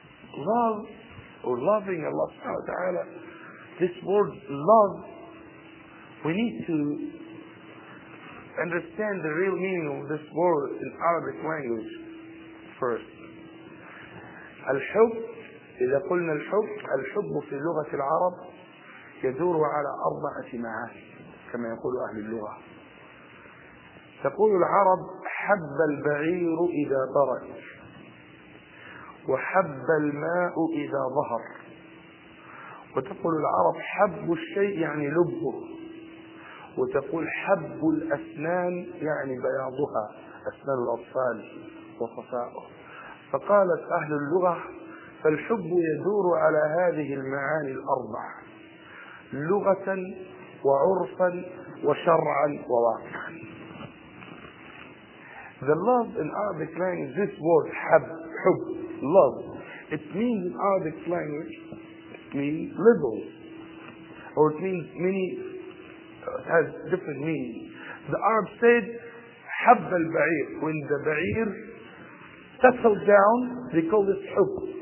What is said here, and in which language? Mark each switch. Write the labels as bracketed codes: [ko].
[en] Love, or loving Allah subhanahu wa ta'ala, this word love, we need to understand the real meaning of this word in Arabic language first. [ar] Al-hub, إذا قلنا الحب, الحب في لغة العرب يدور على أربعة معاني كما يقول أهل اللغة. تقول العرب حب البعير إذا برد وحب الماء إذا ظهر. وتقول العرب حب الشيء يعني لبه. وتقول حب الأسنان يعني بياضها, أسنان الأطفال وصفاؤه. فقالت أهل اللغة فالحب يدور على هذه المعاني الأربع لغة وعرفا وشرعا وواقعا. [en] The love in Arabic language, this word حب love, it means in Arabic language, it means little, or it means many, has different meanings. The Arabs said [ar] حب البعير, [en] when the بعير settled down, they call this حب.